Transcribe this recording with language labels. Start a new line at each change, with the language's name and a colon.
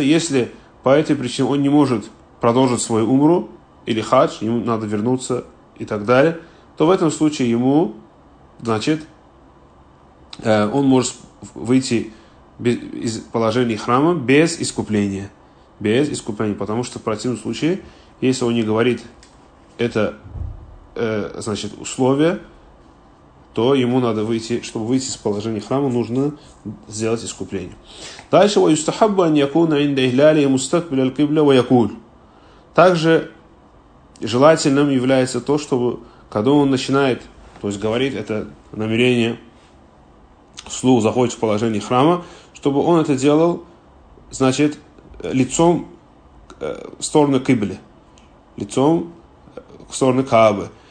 Russian: Если по этой причине он не может продолжить свой умру или хадж, ему надо вернуться и так далее, то в этом случае ему, значит, он может выйти из положения храма без искупления. Потому что в противном случае, если он не говорит это, значит, условие, то ему надо выйти, чтобы выйти из положения храма, нужно сделать искупление.
Arabic: Дальше وَيُسْتَحَبَّ أَنْ يَكُونَ عِنْدَ إِهْلَالِهِ مُسْتَقْبِلَ الْقِبْلَ وَيَكُولُ.
Russian: Также желательным является то, чтобы, когда он начинает, то есть говорит это намерение, вслух заходит в положение храма, чтобы он это делал, значит, лицом в сторону Кибли, лицом в сторону Каабы.